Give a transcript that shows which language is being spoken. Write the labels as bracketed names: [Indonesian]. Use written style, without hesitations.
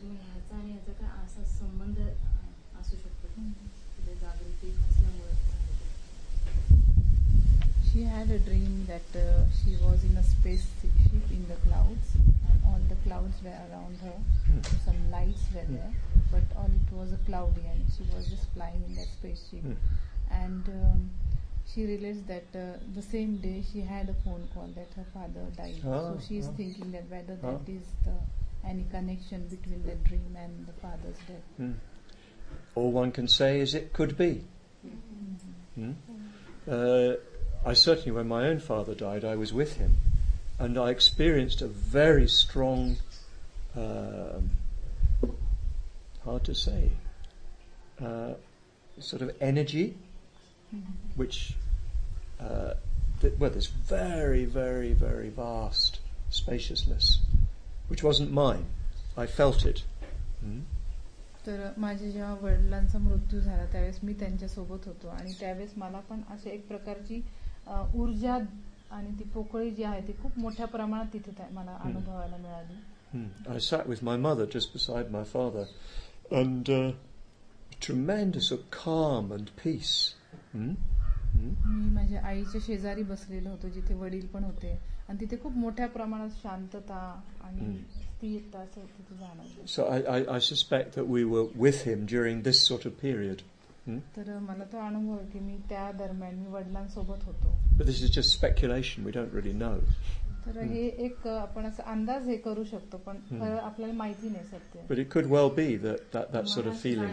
[Marathi] तर मग ह्याचा आणि ह्याचा काय असा संबंध असू शकतो जागृती असल्यामुळे. [English] She had a dream that she was in a spaceship in the clouds, and all the clouds were around her, some lights were there, but all it was a cloudy, and she was just flying in that spaceship. And she realized that the same day she had a phone call that her father died. So she is thinking that whether that is the any connection between the dream and the father's death. All one can say is it could be. I certainly, when my own father died, I was with him, and I experienced a very strong, hard to say, sort of energy, which, this very, very, very vast spaciousness, which wasn't mine. I felt it. [Marathi] तर माझ्या जेव्हा वडिलांचा मृत्यू झाला त्यावेळेस मी त्यांच्या सोबत होतो, आणि त्यावेळेस मला पण असे एक प्रकारची ऊर्जा आणि ती पोकळी जी आहे ती खूप मोठ्या प्रमाणात तिथे मला अनुभवायला मिळाली. [English] I sat with my mother just beside my father, and tremendous of calm and peace. [Marathi] मी माझ्या आईच्या शेजारी बसलेलो होतो जिथे वडील पण होते, आणि तिथे खूप मोठ्या प्रमाणात शांतता आणि स्थिरता असं तिथे जाणवलं. [English] So I suspect that we were with him during this sort of period. [Marathi] तर मला तो अनुभव आहे की मी त्या दरम्यान मी वडिलांसोबत होतो. [English] But this is just speculation, we don't really know. [Marathi] तर हे एक आपण असं अंदाज हे करू शकतो पण खरं आपल्याला माहिती नाही सत्य. [English] But it could well be that sort of feeling.